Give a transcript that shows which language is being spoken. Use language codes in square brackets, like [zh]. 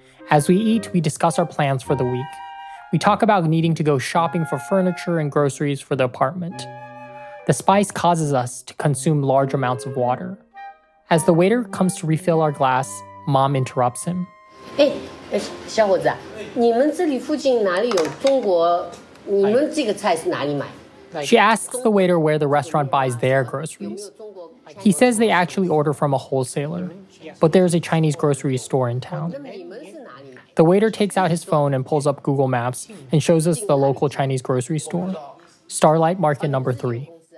[en] As we eat, we discuss our plans for the week. We talk about needing to go shopping for furniture and groceries for the apartment. The spice causes us to consume large amounts of water. As the waiter comes to refill our glass, Mom interrupts him. [zh] Hey, 小伙子, 你们这里附近哪里有中国, 你们这个菜是哪里买? [en] She asks the waiter where the restaurant buys their groceries. He says they actually order from a wholesaler, but there's a Chinese grocery store in town. The waiter takes out his phone and pulls up Google Maps and shows us the local Chinese grocery store, Starlight Market Number 3.